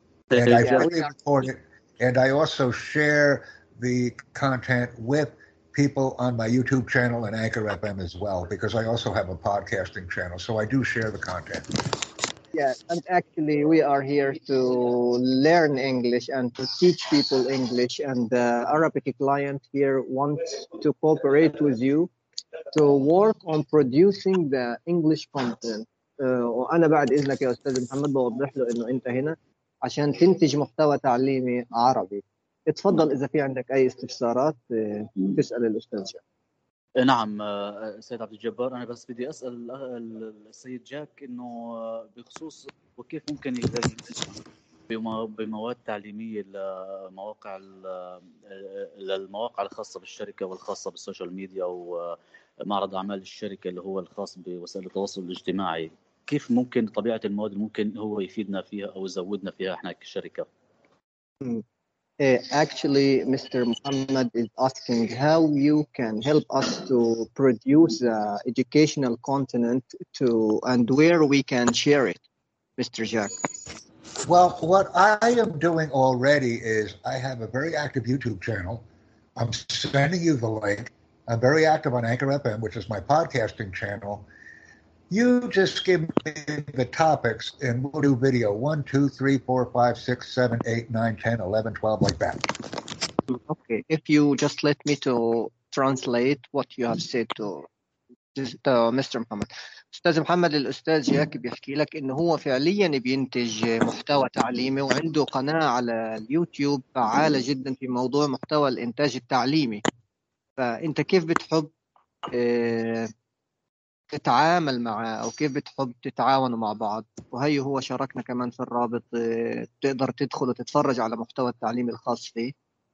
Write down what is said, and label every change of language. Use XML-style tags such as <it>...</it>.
<en>And I really record it, and I also share the content with people on my YouTube channel and Anchor FM as well, because I also have a podcasting channel, so I do share the content. Yeah, and actually we are here to learn English and to teach people English, and the Arabic client here wants to cooperate with you to work on producing the English content.</en> <ar>وأنا بعد إذنك يا أستاذ محمد بوضح له إنه أنت هنا عشان تنتج محتوى تعليمي عربي. اتفضل إذا في عندك أي استفسارات تسأل الأستاذ. نعم سيد عبد الجبار، أنا بس بدي أسأل السيد جاك إنه بخصوص وكيف ممكن ينتج بمواد تعليمية لمواقع للمواقع الخاصة بالشركة والخاصة بالسوشيال ميديا ومعرض أعمال الشركة اللي هو الخاص بوسائل التواصل الاجتماعي، كيف ممكن طبيعة المواد ممكن هو يفيدنا فيها أو يزودنا فيها إحنا كشركة؟</ar> <en>Actually, Mr. Muhammad is asking how you can help us to produce educational content to and where we can share it, Mr. Jack. Well, what I am doing already is I have a very active YouTube channel. I'm sending you the link. I'm very active on Anchor FM, which is my podcasting channel. You just give me the topics and we'll do video 1, 2, 3, 4, 5, 6, 7, 8, 9, 10, 11, 12, like that. Okay, if you just let me to translate what you have said to Mr. Muhammad.</en> <ar>أستاذ محمد الأستاذ جاك بيحكي لك إنه هو فعلياً بينتج محتوى تعليمي وعنده قناة على اليوتيوب فعالة جداً في موضوع محتوى الإنتاج التعليمي. فأنت كيف بتحب تتعامل معه أو كيف بتحب تتعاونوا مع بعض؟ وهي هو شاركنا كمان في الرابط تقدر تدخل وتتفرج على محتوى التعليم الخاص فيه.</ar>